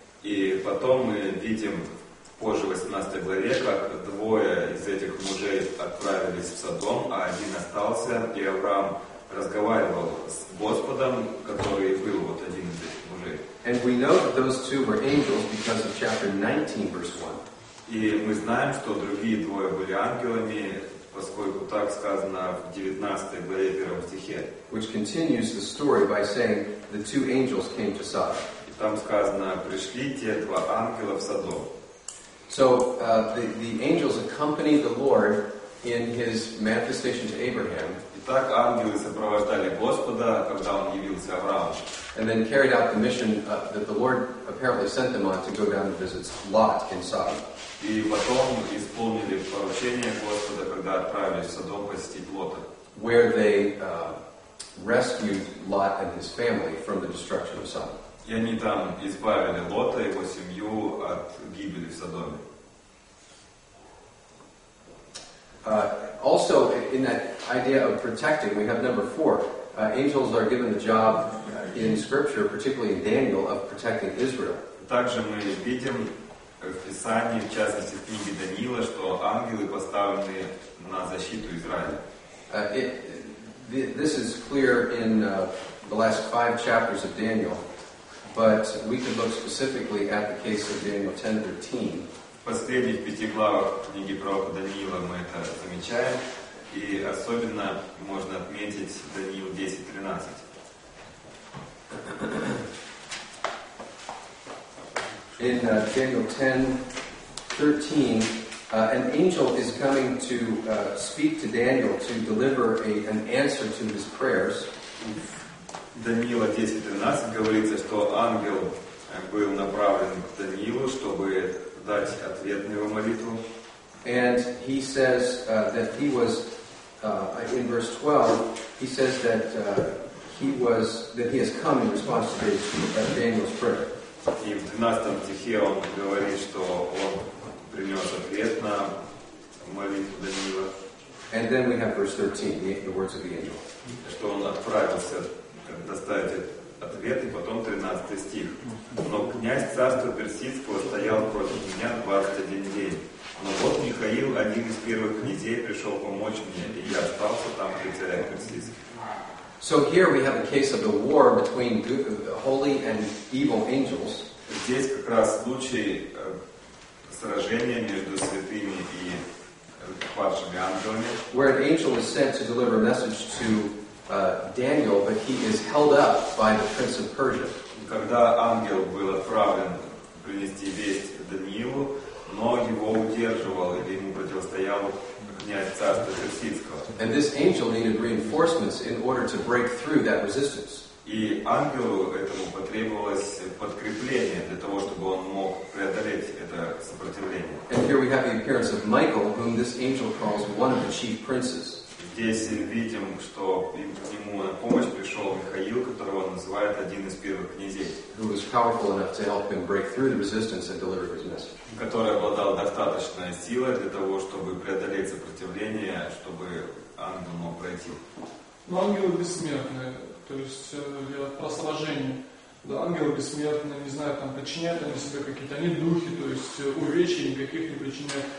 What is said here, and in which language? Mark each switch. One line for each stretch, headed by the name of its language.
Russian: И потом мы видим позже в 18 главе, как двое из этих мужей отправились в Содом, а один остался, и Авраам разговаривал с Господом, который был вот один из этих мужей.
English: And we know that those two were angels because of chapter 19, verse 1.
Russian: И мы знаем, что другие двое были ангелами, поскольку так сказано в 19 главе 1 стихе.
English: Which continues the story by saying the two angels came to Sodom.
Russian: И там сказано, пришли те два ангела в Содом.
English: So the angels accompany the Lord in his manifestation to Abraham.
Russian: Итак, ангелы сопровождали Господа, когда он явился Аврааму.
English: And then carried out the mission that the Lord apparently sent them on to go down and visit Lot in Sodom.
Russian: И потом исполнили поручение Господа, когда отправились в Содом посетить Лота.
English: Where they rescued Lot and his family from the destruction of Sodom.
Russian: И они там избавили Лота и его семью от гибели в Содоме.
English: Also, in that idea of protecting, we have number four. Angels are given the job in Scripture, particularly in Daniel, of protecting Israel.
Russian: Также мы видим в Писании, в частности в книге Даниила, что ангелы поставлены на защиту Израиля.
English: This is clear in the last five chapters of Daniel. But we can look specifically at the case of Daniel 10:13.
Russian: В последних пяти главах книги пророка Даниила мы это замечаем, и особенно можно отметить Даниил 10:13.
English: In Daniel 10:13, an angel is coming to speak to Daniel to deliver an answer to his prayers.
Russian: Даниила 10:13 говорится, что ангел был направлен к Даниилу, чтобы дать ответ на его молитву.
English: And he says that he was in verse 12, he says that that he has come in response to Daniel's prayer.
Russian: И в 12 стихе он говорит, что он принес ответ на молитву Даниила.
English: And then we have verse 13, the words of the angel.
Russian: Что он отправился доставить ответ, и потом 13 стих. Но князь царства персидского стоял против меня 21 день. Но вот Михаил, один из первых князей, пришел помочь мне, и я остался там при царе персидском.
English: So here we have a case of the war between holy and evil angels.
Russian: Здесь как раз случай сражения между святыми и падшими ангелами.
English: Where an angel is sent to deliver a message to Daniel, but he is held up by the prince of Persia.
Russian: Когда ангел был отправлен принести весть Даниилу, но его удерживал или ему противостоял князь царства персидского.
English: And this angel needed reinforcements in order to break through that resistance.
Russian: И ангелу этому потребовалось подкрепление для того, чтобы он мог преодолеть это сопротивление.
English: And here we have the appearance of Michael, whom this angel calls one of the chief princes.
Russian: Здесь видим, что к нему на помощь пришел Михаил, которого он называет один из первых князей.
English: Who was powerful enough to help him break through the resistance and deliver his message.
Russian: Который обладал достаточной силой для того, чтобы преодолеть сопротивление, чтобы ангел мог пройти. Но ангелы бессмертны, то есть я про сражение. Да, ангелы бессмертны, не знаю, там подчиняют они себе какие-то, они духи, то есть увечья никаких не причиняют.